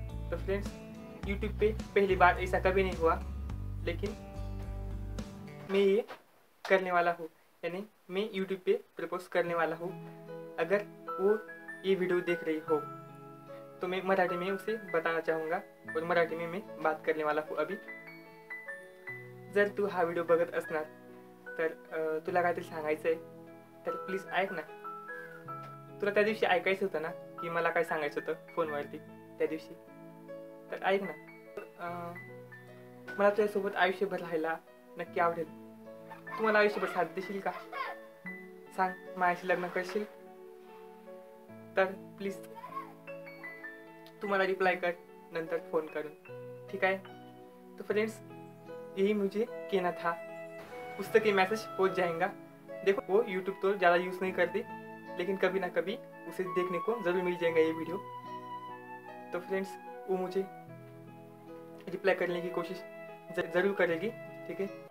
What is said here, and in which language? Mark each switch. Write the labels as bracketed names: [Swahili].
[Hindi] तो friends YouTube पे पहली बार ऐसा कभी नहीं हुआ लेकिन मैं ये करने वाला हूँ, यानी मैं यूट्यूब पे प्रपोज करने वाला हूँ। अगर वो ये वीडियो देख रही हो तो मैं मराठी में उसे बताना चाहूँगा और मराठी में मैं बात करने वाला हूँ अभी। [Marathi] जर तू हा वीडियो बघत असणार तर तुला काहीतरी सांगायचं आहे तर प्लीज ऐक ना। तुला त्या दिवशी ऐकायचं होतं ना की मला काय सांगायचं होतं फोनवरती त्या दिवशी, तर ऐक ना। मला तुझ्यासोबत आयुष्यभर राहायला नक्की आवडेल, तू मला आयुष्यभर साथ देशील का? सांग माझ्याशी लग्न करशील? तर प्लीज तू मला रिप्लाय कर नंतर फोन करून, ठीक आहे? [Hindi] तो फ्रेंड्स यही मुझे कहना था, पुस्तक ये मैसेज पहुँच जाएगा। देखो वो यूट्यूब तो ज़्यादा यूज़ नहीं करती लेकिन कभी ना कभी उसे देखने को ज़रूर मिल जाएगा ये वीडियो। तो फ्रेंड्स वो मुझे रिप्लाई करने की कोशिश ज़रूर करेगी, ठीक है?